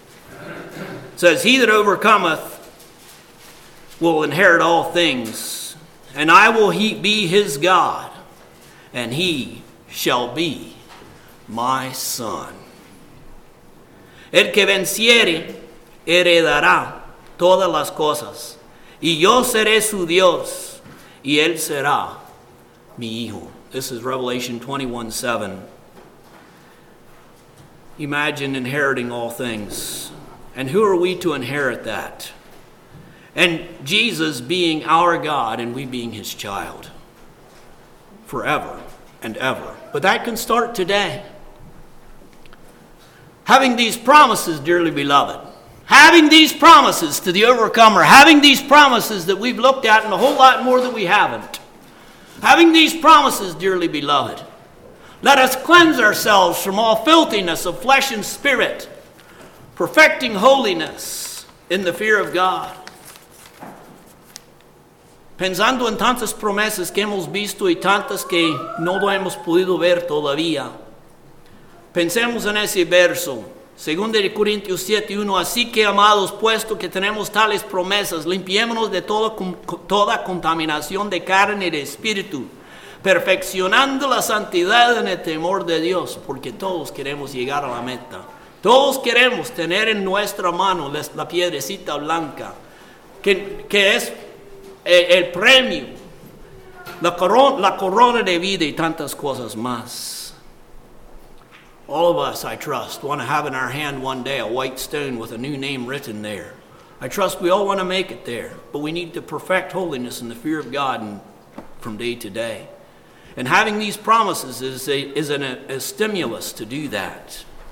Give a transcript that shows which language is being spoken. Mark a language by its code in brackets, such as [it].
[en] It says, he that overcometh will inherit all things, and I will be his God, and he shall be my son. [es] El que venciere heredará todas las cosas, y yo seré su Dios, y él será mi hijo. [en] This is Revelation 21:7. Imagine inheriting all things. And who are we to inherit that? And Jesus being our God and we being his child forever and ever. But that can start today. Having these promises, dearly beloved, having these promises to the overcomer, having these promises that we've looked at and a whole lot more that we haven't. Having these promises, dearly beloved, let us cleanse ourselves from all filthiness of flesh and spirit, perfecting holiness in the fear of God. [es] Pensando en tantas promesas que hemos visto y tantas que no lo hemos podido ver todavía, pensemos en ese verso. 2 Corintios 7:1, así que amados, puesto que tenemos tales promesas, limpiémonos de toda contaminación de carne y de espíritu, perfeccionando la santidad en el temor de Dios, porque todos queremos llegar a la meta. Todos queremos tener en nuestra mano la piedrecita blanca, que es el premio, la corona de vida y tantas cosas más. [en] All of us, I trust, want to have in our hand one day a white stone with a new name written there. I trust we all want to make it there, but we need to perfect holiness in the fear of God from day to day. And having these promises is a stimulus to do that.